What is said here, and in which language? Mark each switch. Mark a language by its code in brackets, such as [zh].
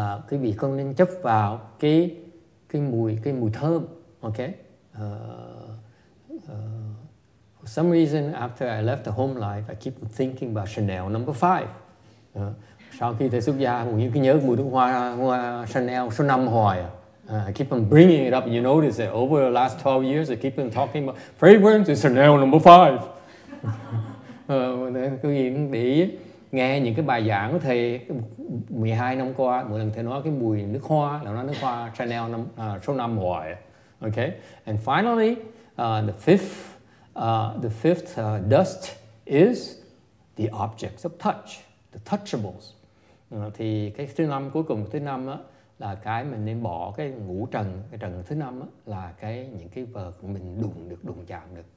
[vi] Quý vị không nên chấp vào cái mùi thơm. [en] Okay. For some reason, after I left the home life, I keep thinking about Chanel number five. [vi] Sau khi thầy xuất gia, cũng như cứ nhớ mùi nước hoa Chanel số năm hoài. [en] I keep on bringing it up. You notice that over the last 12 years, I keep on talking about fragrance is Chanel number five. [vi] Cứ để nghe những cái bài giảng của thầy 12 năm qua, mỗi lần thầy nói cái mùi nước hoa là nói nước hoa Chanel số 5 hoài. [en] Okay. And finally, the fifth dust is the objects of touch, the touchables. [vi] Thì cái thứ năm cuối cùng, thứ năm á, là cái mình nên bỏ cái ngũ trần. Cái trần thứ năm á, là cái những cái vật mình đụng chạm được.